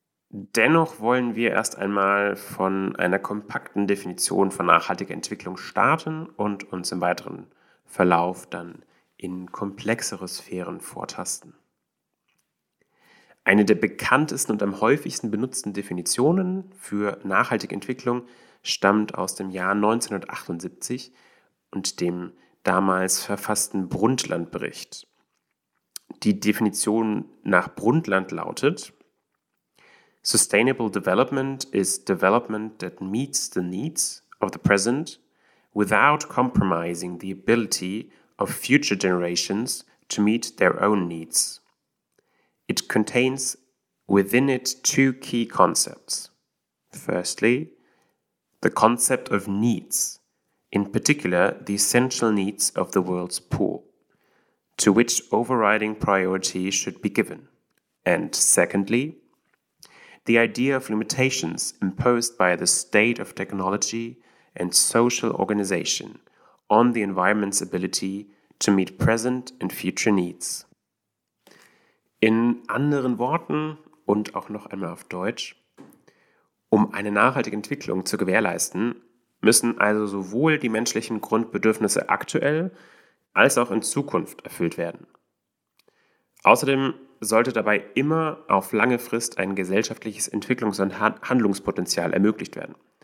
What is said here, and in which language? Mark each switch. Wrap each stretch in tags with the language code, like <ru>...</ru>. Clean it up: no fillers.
<de>Dennoch wollen wir erst einmal von einer kompakten Definition von nachhaltiger Entwicklung starten und uns im weiteren Verlauf dann in komplexere Sphären vortasten. Eine der bekanntesten und am häufigsten benutzten Definitionen für nachhaltige Entwicklung stammt aus dem Jahr 1978 und dem damals verfassten Brundtland-Bericht. Die Definition nach Brundtland lautet:</de> <en>Sustainable development is development that meets the needs of the present without compromising the ability of future generations to meet their own needs. It contains within it two key concepts. Firstly, the concept of needs, in particular the essential needs of the world's poor, to which overriding priority should be given. And secondly, the idea of limitations imposed by the state of technology and social organization on the environment's ability to meet present and future needs.</en> <de>In anderen Worten und auch noch einmal auf Deutsch: Um eine nachhaltige Entwicklung zu gewährleisten, müssen also sowohl die menschlichen Grundbedürfnisse aktuell als auch in Zukunft erfüllt werden. Außerdem sollte dabei immer auf lange Frist ein gesellschaftliches Entwicklungs- und Handlungspotenzial ermöglicht werden.</de>